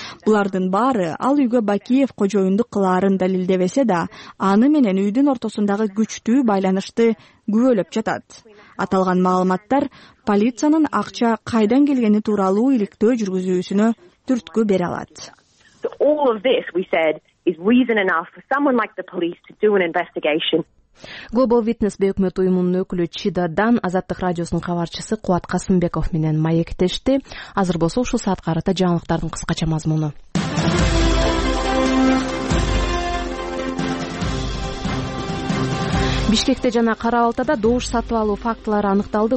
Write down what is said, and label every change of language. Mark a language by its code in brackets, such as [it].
[ky] Булардын баары ал үйгө Бакиев кожоюндук кылаарын далилдебесе да, аны менен үйдүн ортосундагы күчтүү байланышты күбөлөп жатат. Аталган маалыматтар полициянын акча кайдан келгени тууралуу иликтөө жүргүзүүсүнө түрткү бере алат. [en] So all of this, we said, is reason enough for someone like the police to do an investigation. [ky] Global Witness бей өкмөт уюмунун өкүлү Чида Дан Азаттык радиосунун кабарчысы Кубат Касымбеков менен маектешти. Азыр болсо ушул саатка карата жаңылыктардын кыскача мазмуну. Бишкекте жана Кара Алтайда добуш сатып алуу фактылары аныкталды.